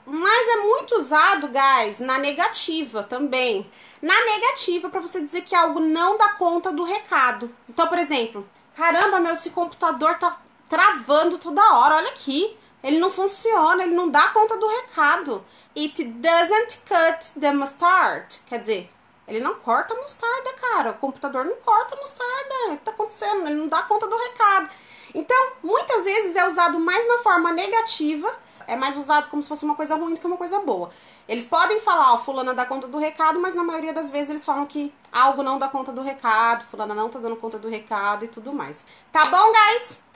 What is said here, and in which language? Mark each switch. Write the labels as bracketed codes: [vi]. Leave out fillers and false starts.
[pt] Mas é muito usado, guys, na negativa também. Na negativa, para você dizer que algo não dá conta do recado. Então, por exemplo, caramba, meu, esse computador tá travando toda hora, olha aqui. Ele não funciona, ele não dá conta do recado. [en] It doesn't cut the mustard. [pt] Quer dizer, ele não corta mostarda, cara. O computador não corta mostarda. O que tá acontecendo? Ele não dá conta do recado. Então, muitas vezes é usado mais na forma negativa. É mais usado como se fosse uma coisa ruim do que uma coisa boa. Eles podem falar, ó, fulana dá conta do recado, mas na maioria das vezes eles falam que algo não dá conta do recado, fulana não tá dando conta do recado e tudo mais. Tá bom, guys?